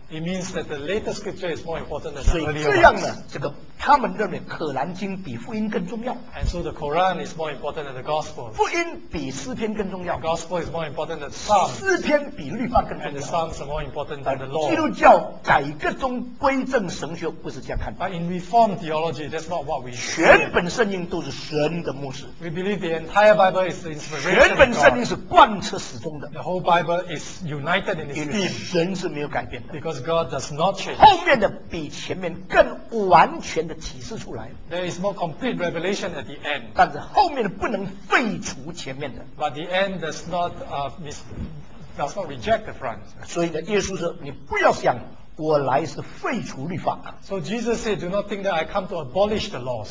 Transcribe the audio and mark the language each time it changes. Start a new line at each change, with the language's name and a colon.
English: It means that the later scripture is more important than the earlier ones.
Chinese: 所以这样呢, 这个 他们认为可兰经比福音更重要。
English: And so the Quran is more important than the Gospel.
Chinese: 福音比诗篇更重要。
English: The Gospel is more important than the Psalm.
Chinese: 诗篇比律法更重要。
English: And the Psalms are more important than the law.
Chinese: 基督教改革中归正神学不是这样看法。
English: But in Reformed theology, that's not what we.
Chinese: 全本圣经都是神的默示。
English: We believe the entire Bible is the inspiration.
Chinese: 全本圣经是贯彻始终的。
English: The whole Bible is united in its belief.
Chinese: 因为神是没有改变的。
English: Because God does not change.
Chinese: 后面的比前面更完全。
English: There is more complete revelation at the end.
Chinese: 但是后面的不能废除前面的。
English: But the end does not does not reject the front.
Chinese: 所以呢，耶稣说，你不要想我来是废除律法。
English: So Jesus said, "Do not think that I come to abolish the laws."